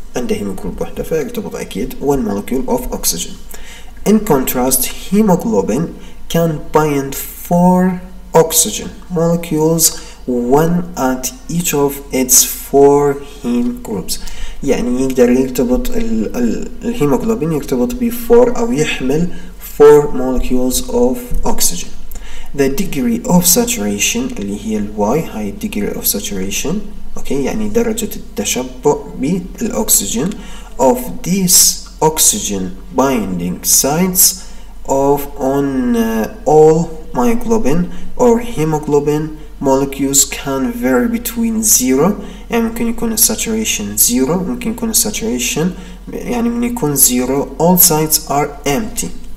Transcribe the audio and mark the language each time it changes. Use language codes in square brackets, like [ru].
[ar] عنده هيموجروب واحدة فيرتبط أكيد [en] one molecule of oxygen. In contrast, hemoglobin can bind four oxygen molecules, one at each of its four heme groups. [ar] يعني يقدر يرتبط الهيموجلوبين يرتبط بفور أو يحمل [en] four molecules of oxygen. The degree of saturation [ar] اللي هي الواي, [en] high degree of saturation, okay, [ar] يعني درجة التشبع بالأكسجين [en] of these oxygen binding sites of on all myoglobin or hemoglobin molecules can vary between zero, [ar] يعني ممكن يكون [en] saturation zero, ممكن يكون saturation [ar] يعني من يكون [en] zero, all sites are empty,